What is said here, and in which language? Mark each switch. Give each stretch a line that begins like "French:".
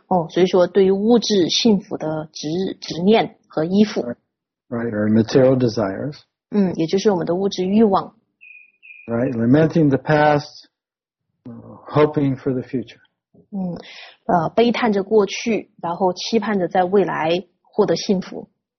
Chinese: 所以说对于物质幸福的执念和依附。
English: Right, or material desires.
Chinese: 也就是我们的物质欲望。
English: Right, lamenting the past, hoping for the future.
Chinese: 悲叹着过去，然后期盼着在未来获得幸福。